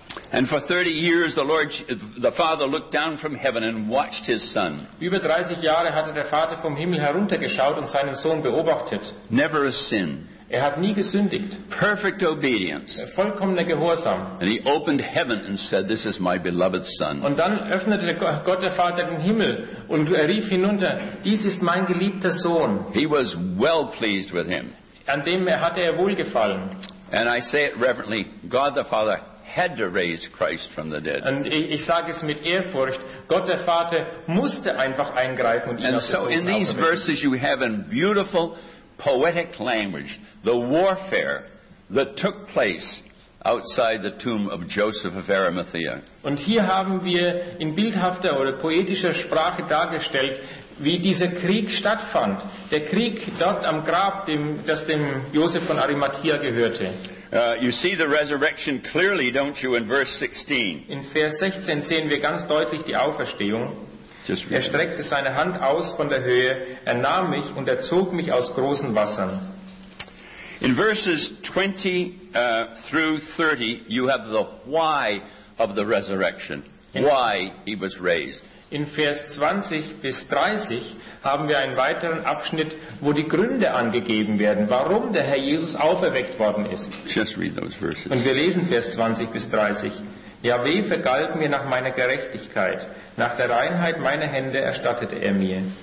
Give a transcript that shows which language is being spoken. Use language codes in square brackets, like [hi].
[en] And for 30 years the Father looked down from heaven and watched his son. [de] Über 30 Jahre hatte der Vater vom Himmel heruntergeschaut und seinen Sohn beobachtet. [en] Never a sin. [de] Er hat nie gesündigt. [en] Perfect obedience. [de] Vollkommener Gehorsam. [en] And he opened heaven and said, "This is my beloved son." [de] Und dann öffnete Gott der Vater den Himmel und rief hinunter: "Dies ist mein geliebter Sohn." [en] He was well pleased with him. [de] An dem hatte er Wohlgefallen. [en] And I say it reverently, God the Father had to raise Christ from the dead. [de] Und ich sage es mit Ehrfurcht, Gott der Vater musste einfach eingreifen und ihn [en] And so in these [de] aufbringen. [en] Verses you have in beautiful poetic language the warfare that took place outside the tomb of Joseph of Arimathea. [de] Und hier haben wir in bildhafter oder poetischer Sprache dargestellt, wie dieser Krieg stattfand. Der Krieg dort am Grab, das dem Joseph von Arimathea gehörte. [en] You see the resurrection clearly, don't you, in verse 16. [de] In Vers 16 sehen wir ganz deutlich die Auferstehung. Er streckte seine Hand aus von der Höhe, er nahm mich und er zog mich aus großen Wassern. [en] In verses 20 through 30 you have the why of the resurrection, why he was raised. [de] In Vers 20 bis 30 haben wir einen weiteren Abschnitt, wo die Gründe angegeben werden, warum der Herr Jesus auferweckt worden ist. [en] Just read those verses. [de] Und wir lesen Vers 20 bis 30. Jahweh vergalt mir nach meiner Gerechtigkeit, nach der Reinheit meiner Hände erstattete er mir.